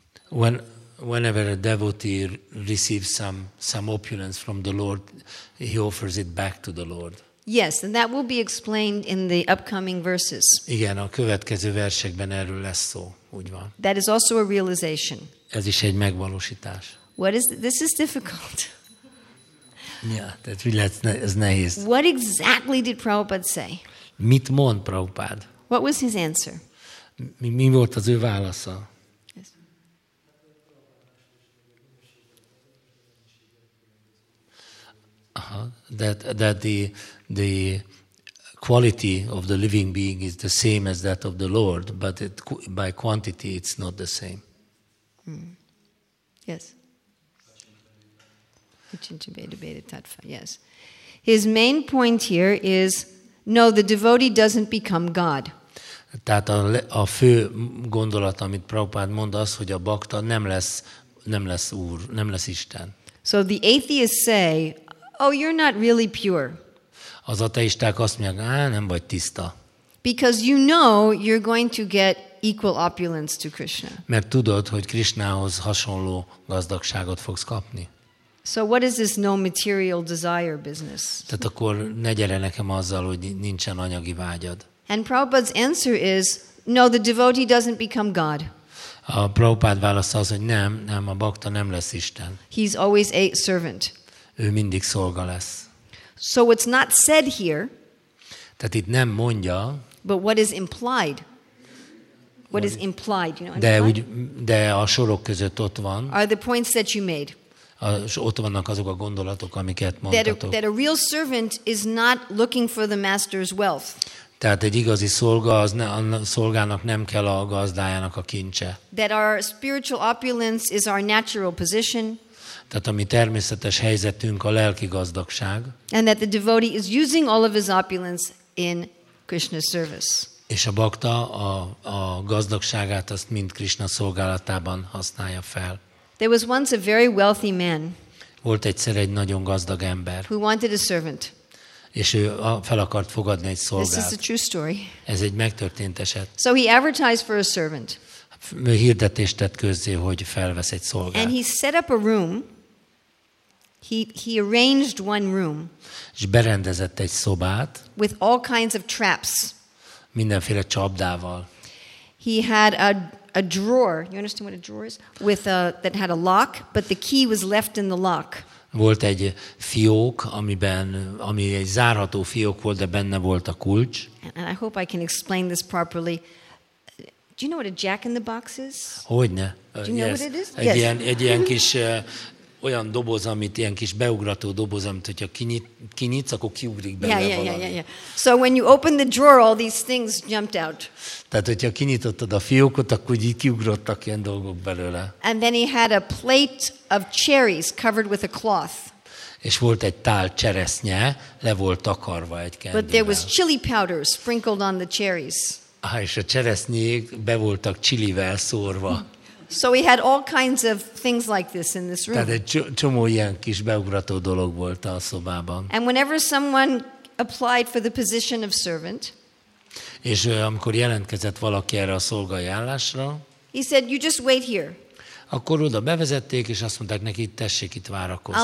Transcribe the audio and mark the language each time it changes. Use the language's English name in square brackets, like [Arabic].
[English] Whenever a devotee receives some opulence from the Lord, he offers it back to the Lord. Yes, and that will be explained in the upcoming verses. [Hungarian] Igen, a következő versekben erről lesz szó, úgy van. [English] That is also a realization. [Hungarian] Ez is egy megvalósítás. [English] This is difficult. Yeah, that really is [Hungarian] nehéz. [English] What exactly did Prabhupada say? [Hungarian] Mit mond Prabhupád? [English] What was his answer? [Hungarian] Mi volt az ő válasza? [English] That the quality of the living being is the same as that of the Lord, but it, by quantity it's not the same. Yes. Acintya-beda-beda-tattva. Yes. His main point here is no, the devotee doesn't become God. [Hungarian] Tehát a fő gondolat, amit Prabhupada mond, az, hogy a bhakta nem lesz úr, nem lesz Isten. [English] So the atheists say, oh, you're not really pure. [Hungarian] Az ateisták azt mondják, nem vagy tiszta. [English] Because you know you're going to get equal opulence to Krishna. [Hungarian] Mert tudod, hogy Krishnához hasonló gazdagságot fogsz kapni. [English] So what is this no material desire business? [Hungarian] Tehát akkor ne gyere nekem azzal, hogy nincsen anyagi vágyad. [English] And Prabhupada's answer is, no, the devotee doesn't become God. [Hungarian] A Prabhupád válasza az, hogy nem, a bhakta nem lesz Isten. [English] He's always a servant. [Hungarian] Ő mindig szolga lesz. [English] So it's not said here. [Hungarian] Tehát itt nem mondja. [English] But what is implied? What is implied? You know. [Hungarian] De a sorok között ott van. [English] Are the points that you made? [Hungarian] Ott vannak azok a gondolatok, amiket mondtatok. [English] That a real servant is not looking for the master's wealth. [Hungarian] Tehát egy igazi szolga az a szolgának nem kell a gazdájának a kincse. [English] That our spiritual opulence is our natural position. [Hungarian] Tehát a mi természetes helyzetünk a lelki gazdagság. [English] And that the devotee is using all of his opulence in Krishna's service. [Hungarian] És a bhakta a gazdagságát azt mind Krishna szolgálatában használja fel. [English] There was once a very wealthy man. [Hungarian] Volt egyszer egy nagyon gazdag ember. [English] Who wanted a servant. [Hungarian] És ő fel akart fogadni egy szolgát. [English] This is a true story. [Hungarian] Ez egy megtörtént eset. [English] So he advertised for a servant. [Hungarian] Hirdetést tett közzé, hogy felvesz egy szolgát. [English] And he set up a room. He arranged one room. [Hungarian] És berendezett egy szobát. [English] With all kinds of traps. [Hungarian] Mindenféle csapdával. [English] He had a drawer. You understand what a drawer is? With a that had a lock, but the key was left in the lock. [Hungarian] Volt egy fiók, ami egy zárható fiók volt, de benne volt a kulcs. [English] And I hope I can explain this properly. Do you know what a jack in the box is? [Hungarian] Hogyne. [English] Do you know what it is? [Hungarian] Egy ilyen, kis olyan doboz, amit ilyen kis beugrató doboz, amit hogyha kinyitsz, akkor kiugrik belőle valami. [English] So when you open the drawer, all these things jumped out. [Hungarian] Tehát hogyha kinyitottad a fiókot, akkor így kiugrottak ilyen dolgok belőle. [English] And then he had a plate of cherries covered with a cloth. [Hungarian] És volt egy tál cseresznye, le volt takarva egy kendővel. [English] But there was chili powder sprinkled on the cherries. [Hungarian] És a cseresznyék be voltak csilivel szórva. [English] So we had all kinds of things like this in this room. [Hungarian] Tehát egy csomó ilyen kis beugrató dolog volt a szobában. [English] And whenever someone applied for the position of servant, [Hungarian] és amikor jelentkezett valaki erre a szolgai állásra, [English] he said, "You just wait here." [Hungarian] Akkor oda bevezették, és azt mondták neki, tessék itt várakozni.